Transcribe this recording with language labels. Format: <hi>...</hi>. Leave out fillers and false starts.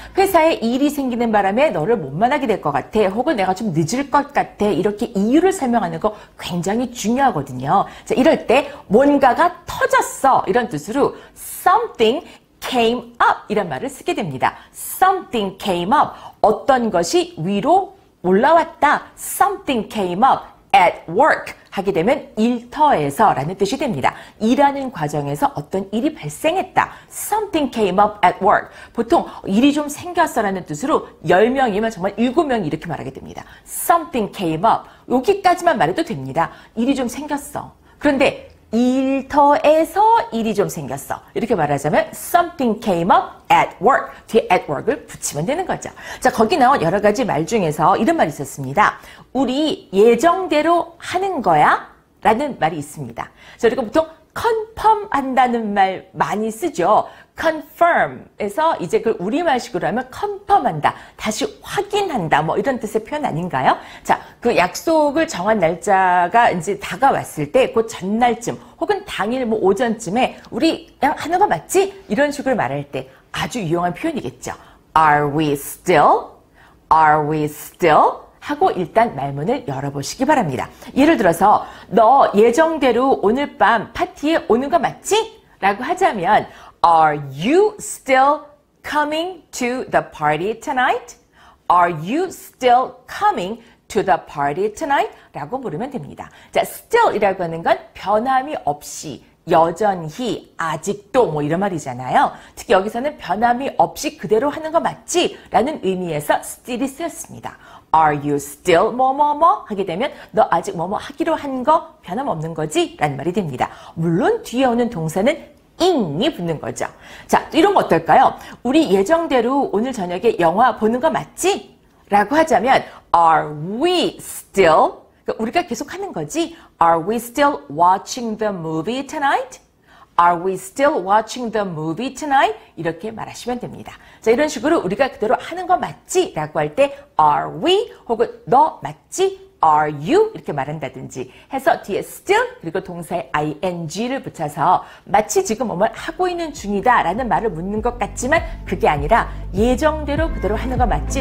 <ko>회사에 일이 생기는 바람에 너를 못 만나게 될 것 같아. 혹은 내가 좀 늦을 것 같아. 이렇게 이유를 설명하는 거 굉장히 중요하거든요. 자, 이럴 때 뭔가가 터졌어. 이런 뜻으로</ko> <en>something came up</en> <ko>이란 말을 쓰게 됩니다.</ko> <en>Something came up.</en> <ko>어떤 것이 위로 올라왔다.</ko> <en>Something came up at work.</en> <ko>하게 되면 일터에서 라는 뜻이 됩니다. 일하는 과정에서 어떤 일이 발생했다.</ko> <en>Something came up at work.</en> <ko>보통 일이 좀 생겼어 라는 뜻으로 10명이면 정말 7명이 이렇게 말하게 됩니다.</ko> <en>Something came up.</en> <ko>여기까지만 말해도 됩니다. 일이 좀 생겼어. 그런데 일터에서 일이 좀 생겼어. 이렇게 말하자면</ko> <en>something came up at work.</en> <ko>뒤에</ko> <en>at work</en> <ko>을 붙이면 되는 거죠. 자, 거기 나온 여러 가지 말 중에서 이런 말이 있었습니다. 우리 예정대로 하는 거야? 라는 말이 있습니다. 자, 그리고 보통 confirm 한다는 말 많이 쓰죠. confirm에서 이제 그 우리말식으로 하면 confirm 한다. 다시 확인한다. 뭐 이런 뜻의 표현 아닌가요? 자, 그 약속을 정한 날짜가 이제 다가왔을 때 그 전날쯤 혹은 당일 뭐 오전쯤에 우리 그냥 하는 거 맞지? 이런 식으로 말할 때 아주 유용한 표현이겠죠.</ko> <en>Are we still? Are we still?</en> <ko>하고 일단 말문을 열어보시기 바랍니다. 예를 들어서 너 예정대로 오늘 밤 파티에 오는 거 맞지? 라고 하자면</ko> <en>Are you still coming to the party tonight? Are you still coming to the party tonight?</en> <ko>라고 물으면 됩니다. 자, still이라고 하는 건 변함이 없이 여전히, 아직도 뭐 이런 말이잖아요. 특히 여기서는 변함이 없이 그대로 하는 거 맞지? 라는 의미에서 still이 쓰였습니다.</ko> <en>Are you still</en> <ko>뭐뭐뭐? 하게 되면 너 아직 뭐뭐 하기로 한 거 변함없는 거지? 라는 말이 됩니다. 물론 뒤에 오는 동사는 ing이 붙는 거죠. 자, 이런 거 어떨까요? 우리 예정대로 오늘 저녁에 영화 보는 거 맞지? 라고 하자면</ko> <en>Are we still?</en> <ko>우리가 계속 하는 거지.</ko> <en>Are we still watching the movie tonight? Are we still watching the movie tonight?</en> <ko>이렇게 말하시면 됩니다. 자, 이런 식으로 우리가 그대로 하는 거 맞지? 라고 할 때</ko> <en>Are we?</en> <ko>혹은 너 맞지?</ko> <en>Are you?</en> <ko>이렇게 말한다든지 해서 뒤에 still 그리고 동사에 ing를 붙여서 마치 지금 뭘 하고 있는 중이다 라는 말을 묻는 것 같지만 그게 아니라 예정대로 그대로 하는 거 맞지?</ko>